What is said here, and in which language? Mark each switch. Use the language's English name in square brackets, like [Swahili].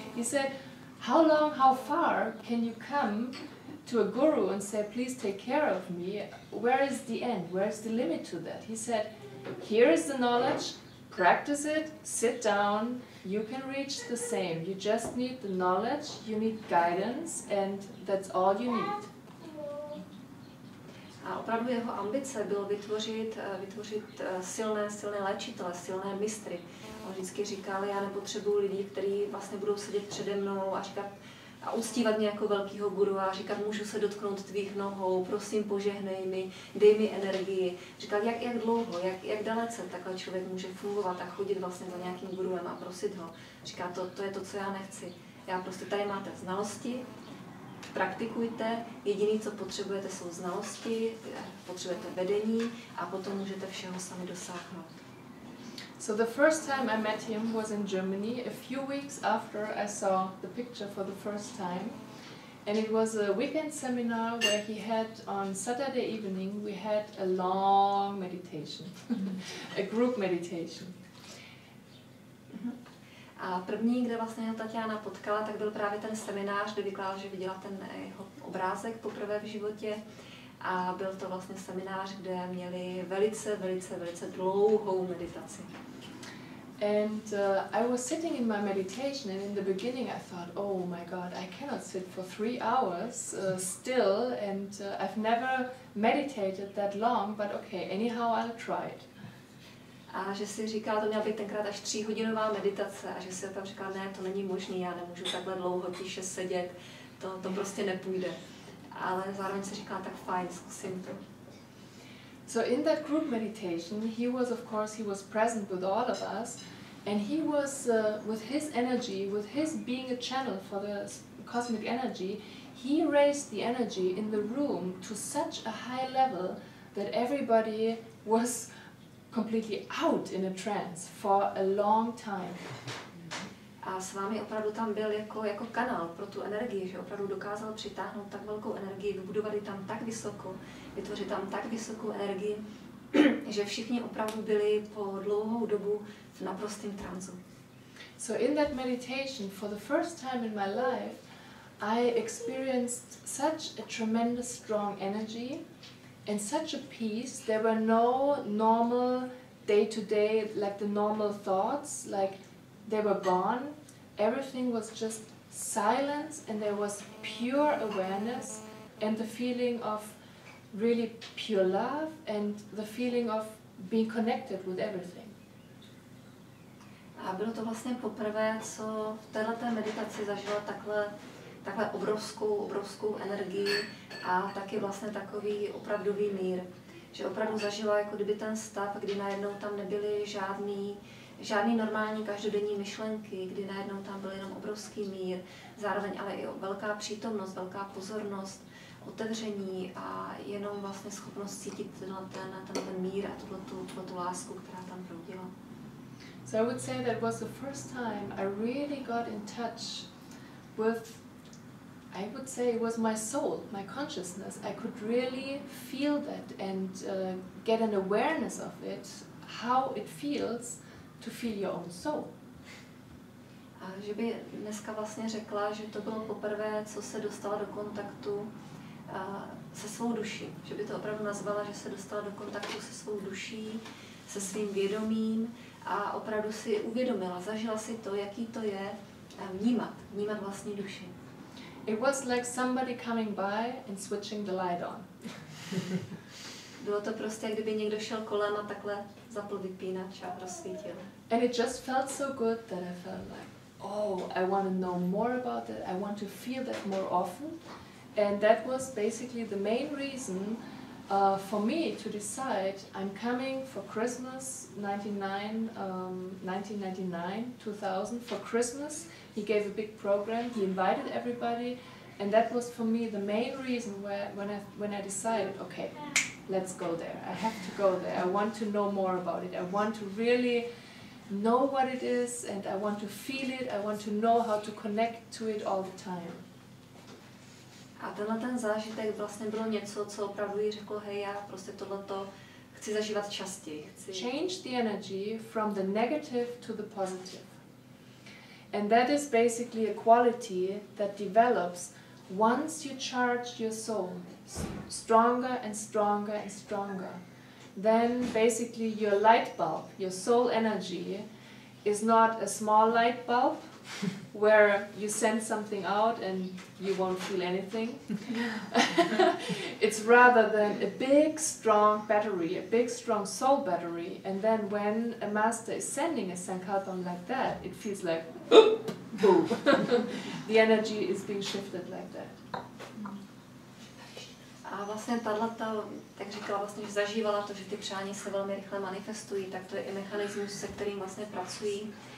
[English] He said, how long, how far can you come to a guru and say, please take care of me? Where is the end? Where is the limit to that? He said, here is the knowledge, practice it, sit down, you can reach the same. You just need the knowledge, you need guidance, and that's all you need. [Czech] A opravdu jeho ambice bylo vytvořit silné léčitele, silné mistry. On vždycky říkal, já nepotřebuji lidí, kteří vlastně budou sedět přede mnou a říkat a uctívat mě jako velkýho guru a říkat, můžu se dotknout tvých nohou, prosím, požehnej mi, dej mi energii. Říkal, jak dlouho, jak dalece takhle člověk může fungovat a chodit vlastně za nějakým guruem a prosit ho. Říká, to je to, co já nechci. Já prostě, tady máte znalosti, praktikujte. Jediné, co potřebujete, jsou znalosti, potřebujete vedení a potom můžete všeho sami dosáhnout. [English] So the first time I met him was in Germany, a few weeks after I saw the picture for the first time. And it was a weekend seminar where he had, on Saturday evening, we had a long meditation, a group meditation. [Czech] A první, kde vlastně Tatyana potkala, tak byl právě ten seminář, kde vykládala, že viděla ten jeho obrázek poprvé v životě. A byl to vlastně seminář, kde měli velice, velice, velice dlouhou meditaci. [English] And I was sitting in my meditation, and in the beginning I thought, oh my god, I cannot sit for 3 hours still, and I've never meditated that long, but okay, anyhow I'll try it. [Czech] A že si říkala, to měla být tenkrát až 3hodinová meditace, a že si tam říkala, ne, to není možný, já nemůžu takhle dlouho tiše sedět, to prostě nepůjde. Ale zároveň si říkala, tak fajn, zkusím to. [English] So in that group meditation, he was, of course, he was present with all of us, and he was, with his energy, with his being a channel for the cosmic energy, he raised the energy in the room to such a high level that everybody was completely out in a trance for a long time. [Czech] A s vámi opravdu tam byl jako kanál pro tu energii, že opravdu dokázal přitáhnout tak velkou energii, vybudovat ji tam tak vysoko, vytvořit tam tak vysokou energii, že všichni opravdu byli po dlouhou dobu v naprostém tranzu. [English] So in that meditation, for the first time in my life, I experienced such a tremendous strong energy and such a peace. There were no normal day-to-day, like the normal thoughts, like they were gone. Everything was just silence, and there was pure awareness and the feeling of really pure love and the feeling of being connected with everything. [Czech] A bylo to vlastně poprvé, co v této meditaci zažila takhle obrovskou energii a taky vlastně takový opravdový mír, že opravdu zažila jako kdyby ten stav, kdy najednou tam nebyly žádný normální každodenní myšlenky, kdy najednou tam byl jenom obrovský mír, zároveň ale i velká přítomnost, velká pozornost, otevření a jenom vlastně schopnost cítit ten mír a tuto lásku, která tam proudila. [English] So I would say that was the first time I really got in touch with, I would say it was my soul, my consciousness. I could really feel that and get an awareness of it, how it feels to feel your own soul. [Czech] A že by dneska vlastně řekla, že to bylo poprvé, co se dostala do kontaktu se svou duší. Že by to opravdu nazvala, že se dostala do kontaktu se svou duší, se svým vědomím a opravdu si uvědomila, zažila si to, jaký to je vnímat vlastní duši. [English] It was like somebody coming by and switching the light on. [Czech] Bylo to prostě, jak kdyby někdo šel kolem a takhle zapl vypínač a rozsvítil. [English] And it just felt so good that I felt like, oh, I want to know more about it, I want to feel that more often. And that was basically the main reason for me to decide I'm coming for Christmas 1999, 2000, for Christmas. He gave a big program, he invited everybody, and that was for me the main reason when I decided, okay, let's go there. I have to go there. I want to know more about it. I want to really know what it is, and I want to feel it. I want to know how to connect to it all the time. [Czech] A tenhle ten zážitek vlastně bylo něco, co opravdu jí řeklo, hej, já prostě tohleto chci zažívat častěji. Chci... [English] Change the energy from the negative to the positive. And that is basically a quality that develops once you charge your soul stronger and stronger and stronger. Then basically your light bulb, your soul energy, is not a small light bulb, where you send something out and you won't feel anything. It's rather than a big, strong battery, a big, strong soul battery. And then when a master is sending a sankalpa like that, it feels like boom. The energy is being shifted like that. [Czech] A vlastně tato, tak říkala vlastně, že zažívala to, že ty přání se velmi rychle manifestují. Tak to je i mechanismus, se kterým vlastně pracují.